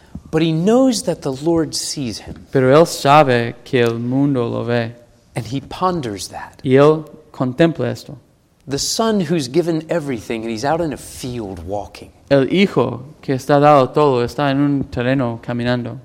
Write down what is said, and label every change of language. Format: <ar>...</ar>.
<en>But he knows that the Lord sees him.</en> <es>Pero él sabe que el mundo lo ve.</es> <en>And he ponders that.</en> <es>Y él contempla esto.</es> <en>The son who's given everything and he's out in a field walking.</en> <es>El hijo que está dado todo está en un terreno caminando.</es>